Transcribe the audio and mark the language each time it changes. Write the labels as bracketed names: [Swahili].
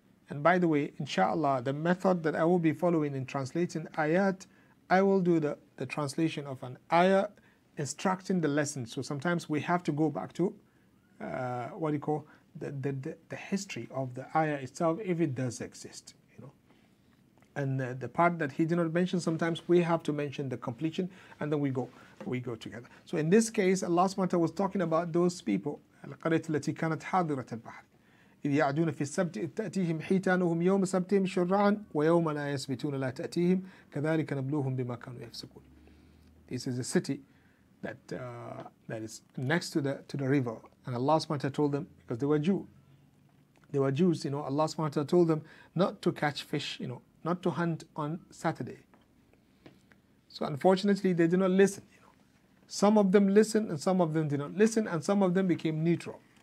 [English] And by the way, inshallah, the method that I will be following in translating ayat, I will do the translation of an ayah instructing the lesson. So sometimes we have to go back to the history of the ayah itself, if it does exist, you know. And the part that he did not mention, sometimes we have to mention the completion, and then we go together. So in this case, Allah subhanahu wa ta'ala was talking about those people, [Arabic] القريه التي كانت حاضره البحر اذ يعدون في السبت تاتيهم حيتانهم يوم سبتهم شرعا ويوم لا يسبتون لا تاتيهم كذلك نبلوهم بما كانوا يفسقون. [English] This is a city that is next to the river, and Allah subhanahu wa ta'ala told them, because they were Jews, you know, Allah subhanahu wa ta'ala told them not to catch fish, you know, not to hunt on Saturday. So unfortunately they did not listen. Some of them listened and some of them did not listen, and some of them became neutral.